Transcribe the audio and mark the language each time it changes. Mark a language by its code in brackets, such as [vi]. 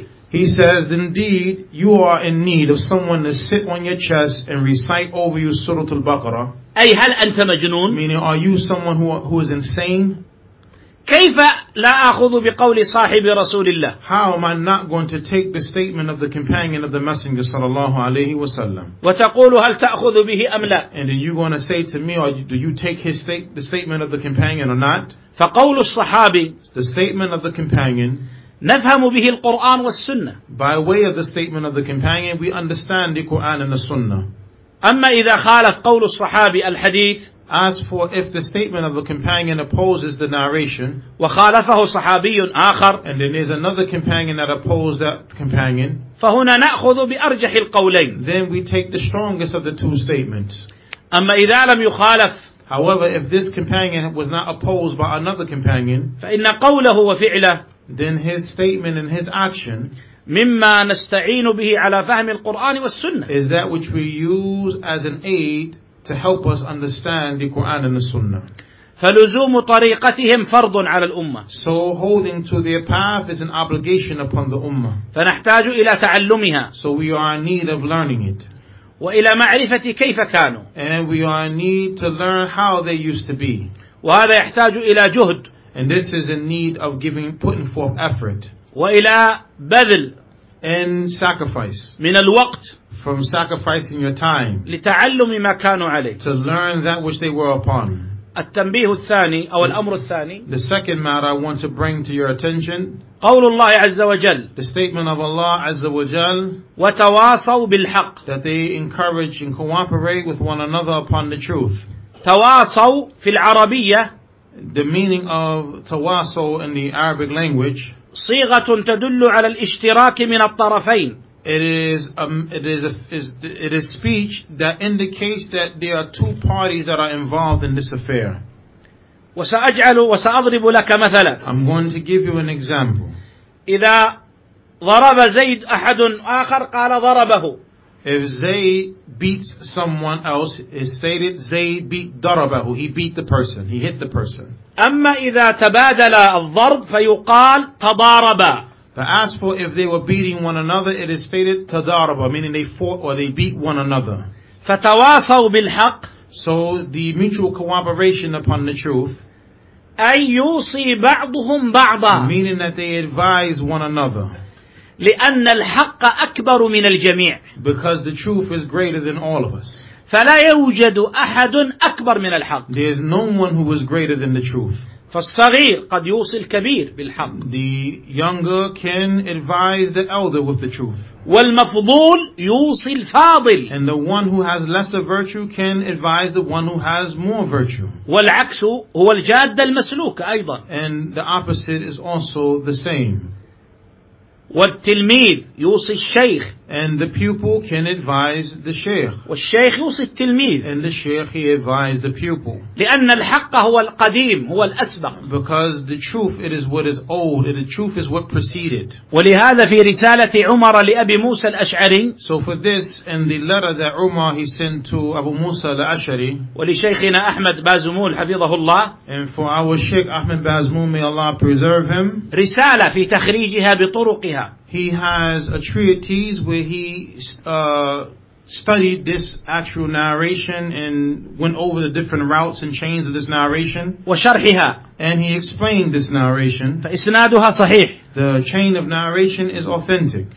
[en] He says, indeed, you are in need of someone to sit on your chest and recite over you Surah Al-Baqarah. [ar] أي هل أنت مجنون? [en] Meaning, are you someone who is insane? [ar] كيف لا أخذ بقول صاحب رسول الله? [en] How am I not going to take the statement of the companion of the Messenger [ar] صلى الله عليه وسلم? وتقول هل تأخذ به أم لا? [en] And are you going to say to me, or do you take his the statement of the companion or not? [ar] فقول الصحابي [en] the statement of the companion [ar] نفهم به القرآن والسنة [en] by way of the statement of the companion we understand the Quran and the Sunnah. [ar] أما إذا خالف قول الصحابي الحديث [en] as for if the statement of the companion opposes the narration [ar] وخالفه صحابي آخر [en] and then there's another companion that opposed that companion [ar] فهنا نأخذ بأرجح القولين [en] then we take the strongest of the two statements. [ar] أما إذا لم يخالف [en] However, if this companion was not opposed by another companion, [ar] فإن قوله وفعله, [en] then his statement and his action [ar] مما نستعين به على فهم القرآن والسنة, [en] is that which we use as an aid to help us understand the Quran and the Sunnah. [ar] فلزوم طريقتهم فرض على الأمة. [en] So holding to their path is an obligation upon the ummah. [ar] فنحتاج إلى تعلمها. [en] So we are in need of learning it. [ar] وإلى معرفة كيف كانوا. [en] And we are in need to learn how they used to be. [ar] وهذا يحتاج إلى جهد. [en] And this is in need of giving, putting forth effort. [ar] وإلى بذل. [en] And sacrifice. [ar] من الوقت. [en] From sacrificing your time. [ar] لتعلم ما كانوا عليه. [en] To learn that which they were upon. [ar] التنبيه الثاني أو الأمر الثاني. [en] The second matter I want to bring to your attention. [ar] قول الله عز وجل. [en] The statement of Allah [ar] عز وجل. وتواصوا بالحق. [en] That they encourage and cooperate with one another upon the truth. [ar] تواصوا في العربية. [en] The meaning of تواصوا in the Arabic language. [ar] صيغة تدل على الاشتراك من الطرفين. [en] It is speech that indicates that there are two parties that are involved in this affair. [ar] وسأجعل وسأضرب لك مثلا. [en] I'm going to give you an example. [ar] إذا ضرب زيد أحد آخر قال ضربه. [en] If Zayd beats someone else, it's stated Zayd beat ضربه. He beat the person. He hit the person. [ar] أما إذا تبادل الضرب فيقال تضاربا. [en] But as for if they were beating one another, it is stated تضاربا, meaning they fought or they beat one another. [ar] فتواصوا بالحق. [en] So the mutual cooperation upon the truth. [ar] أن يوصي بعضهم بعضا. [en] Meaning that they advise one another. [ar] لأن الحق أكبر من الجميع. [en] Because the truth is greater than all of us. [ar] فلا يوجد أحد أكبر من الحق. [en] There is no one who is greater than the truth. [ar] فالصغير قد يوصي الكبير بالحق. [en] The younger can advise the elder with the truth. [ar] والمفضول يوصي الفاضل. [en] And the one who has lesser virtue can advise the one who has more virtue. [ar] والعكس هو الجاد المسلوك أيضا. [en] And the opposite is also the same. [ar] والتلميذ يوصي الشيخ. [en] And the pupil can advise the sheikh. [ar] والشيخ يوصي التلميذ. [en] And the sheikh he advises the pupil. [ar] لأن الحق هو القديم هو الأسبق. [en] Because the truth it is what is old, the truth is what preceded. [ar] ولهذا في رسالة عمر لأبي موسى الأشعري. [en] So for this in the letter that Umar he sent to Abu Musa al-Ash'ari. [ar] ولشيخنا أحمد بازمول حفظه الله. [en] And for our Sheikh Ahmed Bazmoul, may Allah preserve him. [ar] رسالة في تخريجها بطرقها. [en] He has a treatise where he studied this actual narration and went over the different routes and chains of this narration. [ar] وشرحها. [en] And he explained this narration. [ar] فإسنادها صحيح. [en] The chain of narration is authentic.